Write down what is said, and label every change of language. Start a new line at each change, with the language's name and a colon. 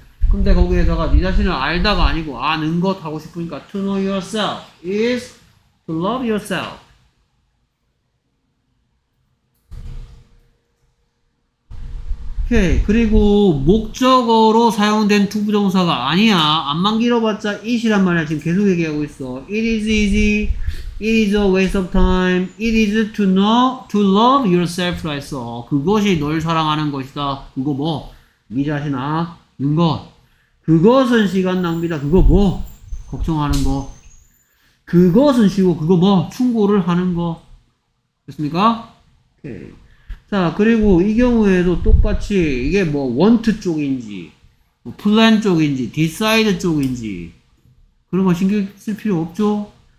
Korean: 근데 거기에다가 네 자신을 알다가 아니고 아는 것 하고 싶으니까
English: To know yourself is to love yourself.
Korean: 오케이. 그리고 목적어로 사용된 to 부정사가 아니야. 앞만 길어봤자 it이란 말이야. 지금 계속 얘기하고 있어.
English: It is easy. It is a waste of time. It is to know, to love yourself라 했어.
Korean: 그것이 널 사랑하는 것이다. 그거 뭐? 네 자신 아는 것. 그것은 시간 낭비다. 그거 뭐? 걱정하는 거. 그것은 쉬워. 그거 뭐? 충고를 하는 거. 됐습니까? 오케이. 자, 그리고 이 경우에도 똑같이 이게 뭐 want 쪽인지 뭐 plan 쪽인지 decide 쪽인지 그런 거 신경 쓸 필요 없죠?